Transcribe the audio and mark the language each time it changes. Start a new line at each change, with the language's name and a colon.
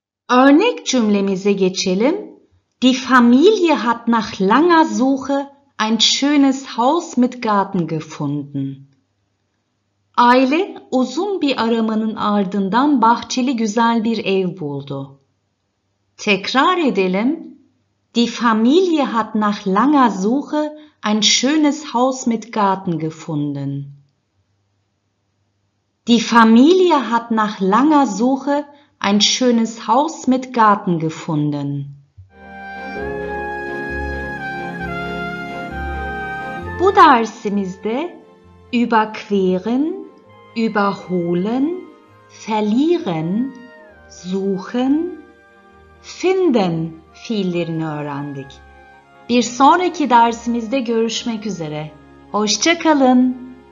Turkish: Örnek cümlemize geçelim.
German: Die Familie hat nach langer Suche ein schönes Haus mit Garten gefunden.
Turkish: Aile uzun bir aramanın ardından bahçeli güzel bir ev buldu. Tekrar edelim.
German: Die Familie hat nach langer Suche ein schönes Haus mit Garten gefunden. Die Familie hat nach langer Suche ein schönes Haus mit Garten gefunden.
Turkish: Bu dersimizde überqueren, überholen, verlieren, suchen, finden fiillerini öğrendik. Bir sonraki dersimizde görüşmek üzere. Hoşça kalın.